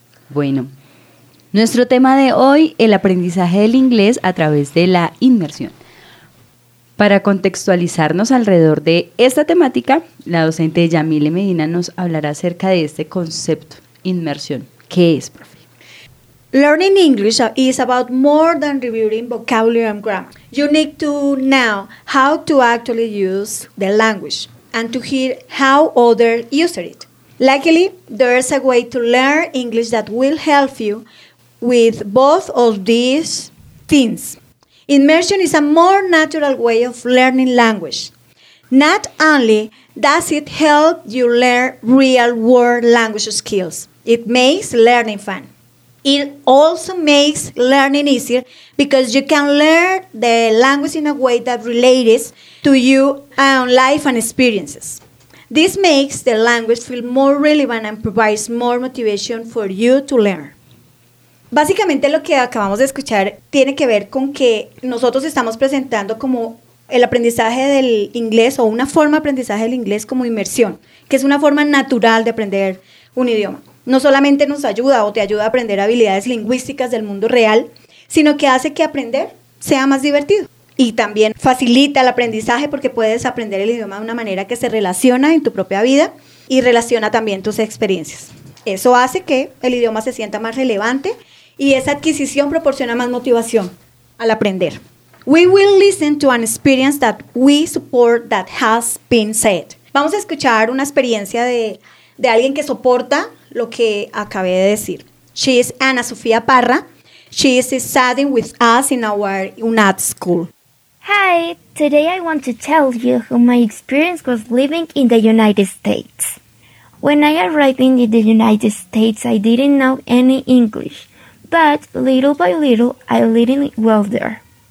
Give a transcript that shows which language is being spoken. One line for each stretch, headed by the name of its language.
Spanish: Bueno, nuestro tema de hoy, el aprendizaje del inglés a través de la inmersión. Para contextualizarnos alrededor de esta temática, la docente Yamile Medina nos hablará acerca de este concepto, inmersión. ¿Qué es, profe?
English: Learning English is about more than reviewing vocabulary and grammar. You need to know how to actually use the language and to hear how others use it. Luckily, there's a way to learn English that will help you with both of these things. Immersion is a more natural way of learning language. Not only does it help you learn real-world language skills, it makes learning fun. It also makes learning easier because you can learn the language in a way that relates to your own life and experiences. This makes the language feel more relevant and provides more motivation for you to learn.
Spanish: Básicamente lo que acabamos de escuchar tiene que ver con que nosotros estamos presentando como el aprendizaje del inglés o una forma de aprendizaje del inglés como inmersión, que es una forma natural de aprender un idioma. No solamente nos ayuda o te ayuda a aprender habilidades lingüísticas del mundo real, sino que hace que aprender sea más divertido. y también facilita el aprendizaje porque puedes aprender el idioma de una manera que se relaciona en tu propia vida y relaciona también tus experiencias. Eso hace que el idioma se sienta más relevante y esa adquisición proporciona más motivación al aprender.
English: We will listen to an experience that we support that has been said.
Spanish: Vamos a escuchar una experiencia de alguien que soporta lo que acabé de decir.
English: She is Ana Sofía Parra. She is studying with us in our UNAD school. Hi, today I want to tell you how my experience was living in the United States. When I arrived in the United States, I didn't know any English, but little by little, I learned well there.